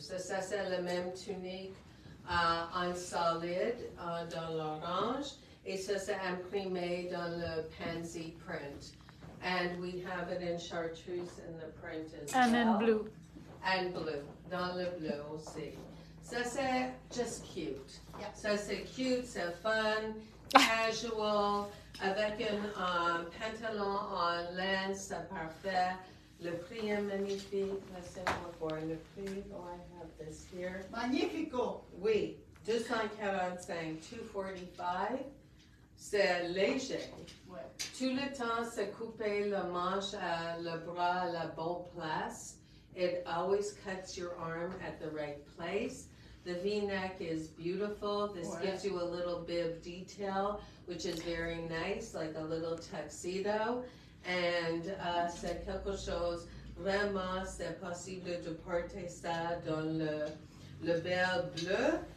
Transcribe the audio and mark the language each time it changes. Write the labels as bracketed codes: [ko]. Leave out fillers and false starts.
[fr] So ça, c'est la même tunique en solide dans l'orange. Et ça, c'est imprimé dans le pansy print. [en] And we have it in chartreuse in the print as and well. And in blue. And blue. [fr] Dans le bleu aussi. Ça, c'est [en] just cute. Yep. [fr] Ça, c'est cute, c'est fun, casual, avec un pantalon en laine, c'est parfait. Le prix est magnifique. [en] Let's say before, [fr] le prix, [en] oh, I have this here. [it] Magnifico. [fr] Oui, 245, 245, c'est léger. Ouais. Tout le temps, c'est coupé le manche, le bras à la bonne place. [en] It always cuts your arm at the right place. The V-neck is beautiful. This what? Gives you a little bib detail, which is very nice, like a little tuxedo. And [fr] c'est quelque chose, vraiment, c'est possible de porter ça dans le bel bleu.